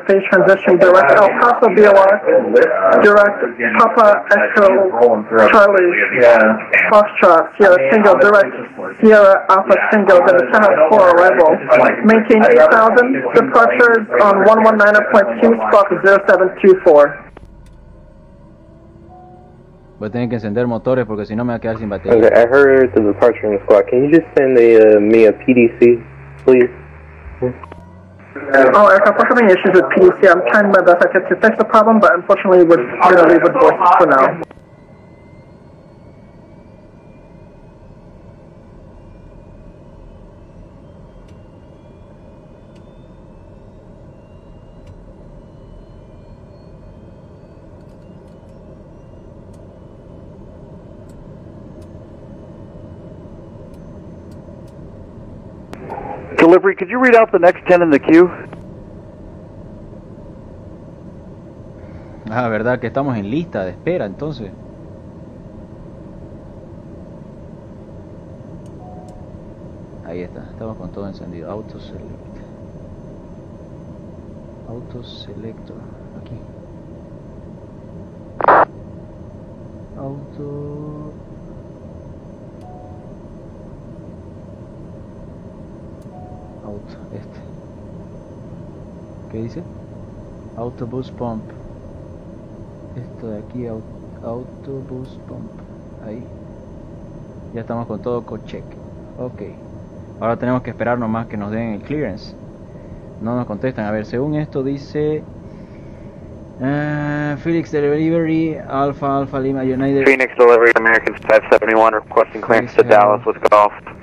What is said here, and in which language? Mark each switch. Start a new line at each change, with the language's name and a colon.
English: Phase transition direct El Paso VOR, direct Papa Echo Charlie, Foxtrot Sierra Tango, direct Sierra Alpha Tango, then a 7-4 arrival. Maintain 8,000, departures on 119.2/0724.
Spanish: Voy a tener que encender motores porque si no me voy a quedar sin batería.
English: Okay, I heard the departure in the squad. Can you just send me a PDC, please? Oh, Eric, unfortunately, issues with PDC. I'm trying my best to fix the problem, but unfortunately, we're going to leave with voice for now. Delivery, could you read out the next 10 in the queue?
Spanish: Ah, verdad que estamos en lista de espera, entonces. Ahí está, estamos con todo encendido. Autoselect. Autoselecto. Aquí. Auto... Este. ¿Qué dice? Autobus pump. Esto de aquí, autobus pump. Ahí. Ya estamos con todo con check. Ok. Ahora tenemos que esperar nomás que nos den el clearance. No nos contestan. A ver, según esto dice Phoenix Delivery Alpha Alpha Lima United.
English: Phoenix Delivery American 571 requesting clearance to Dallas with golf.